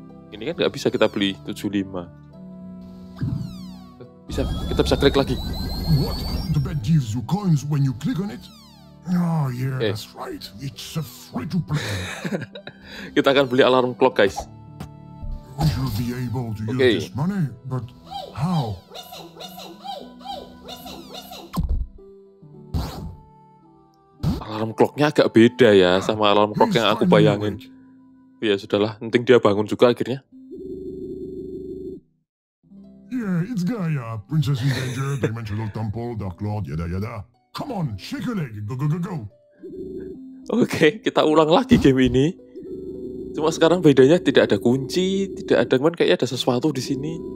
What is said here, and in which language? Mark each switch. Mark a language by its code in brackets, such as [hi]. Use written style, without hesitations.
[id] Ini kan nggak bisa kita beli 75. Bisa, kita bisa klik lagi. [en] What? The bed gives you coins when you click on it? Oh yeah, okay. That's right. It's a free to play. [id] Kita akan beli alarm clock, guys. [en] We should be able to use this money, but how? Missing. [id] Alarm clocknya agak beda ya sama alarm clock yang aku bayangin. Ya sudahlah, penting dia bangun juga akhirnya. [en] Yeah, it's Gaia, Princess in Danger, Dimensional Temple, Dark Lord, yada yada. Come on, shake your leg, go. [id] Oke, kita ulang lagi game ini. Cuma sekarang bedanya tidak ada kunci, tidak ada, kan kayaknya ada sesuatu di sini.